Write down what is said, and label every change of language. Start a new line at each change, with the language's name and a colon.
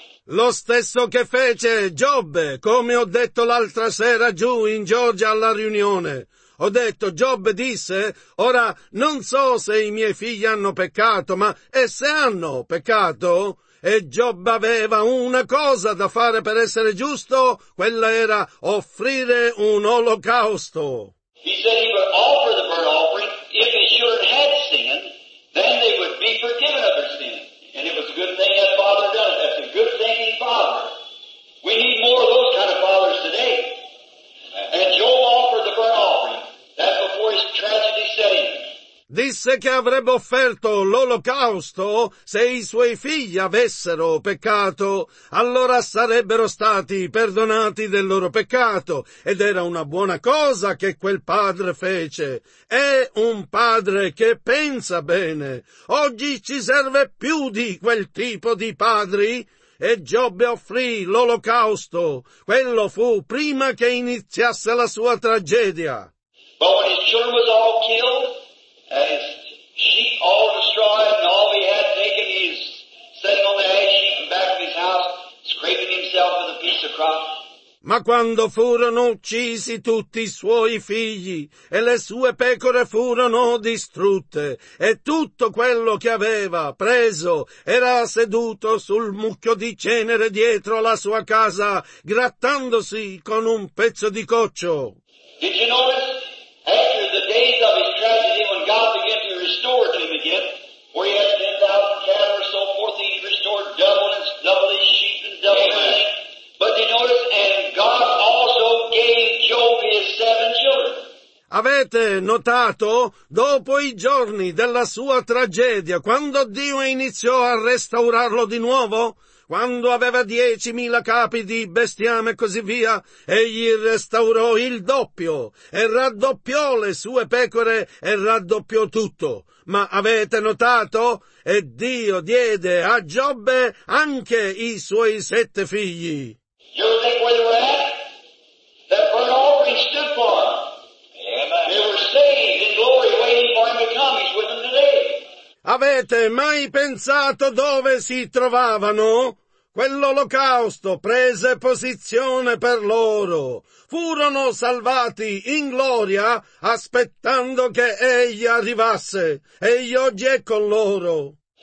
Italian: Lo stesso che fece Giobbe, come ho detto l'altra sera giù in Georgia alla riunione. Ho detto, Giobbe disse, "Ora non so se i miei figli hanno peccato, ma e se hanno peccato?" E Giobbe aveva una cosa da fare per essere giusto, quella era offrire un olocausto.
English: He said he would offer the burnt offering. If his children had sinned, then they would be forgiven of their sin. And it was a good thing that father done it. That's a good thing he fathered. We need more of those kind of fathers today. And Job offered the burnt offering. That before his tragedy set in.
Italian: Disse che avrebbe offerto l'olocausto se i suoi figli avessero peccato, allora sarebbero stati perdonati del loro peccato, ed era una buona cosa che quel padre fece. È un padre che pensa bene. Oggi ci serve più di quel tipo di padri. E Giobbe offrì l'olocausto. Quello fu prima che iniziasse la sua tragedia.
English: But when his children was all killed, and his sheep all destroyed, and all he had taken, he's sitting on the ash sheet in back of his house, scraping himself with a piece of crop.
Italian: Ma quando furono uccisi tutti i suoi figli e le sue pecore furono distrutte e tutto quello che aveva preso era seduto sul mucchio di cenere dietro la sua casa grattandosi con un pezzo di coccio.
English: Did you notice after the days of his tragedy when God began to restore to him again where he had 10,000 cattle or so forth, he restored double his sheep and double his sheep. But did you notice, and God also gave Job his 7 children.
Italian: Avete notato? Dopo i giorni della sua tragedia, quando Dio iniziò a restaurarlo di nuovo, quando aveva 10,000 capi di bestiame e così via, egli restaurò il doppio e raddoppiò le sue pecore e raddoppiò tutto. Ma avete notato? E Dio diede a Giobbe anche i suoi 7 figli.
English: You think where they were at? That burnt offering stood for them. Amen. They were saved in glory waiting for him to come. He's with them today.
Italian: Avete mai pensato dove si trovavano? Quell'olocausto prese posizione per loro. Furono salvati in gloria aspettando che egli arrivasse. Egli oggi è con loro.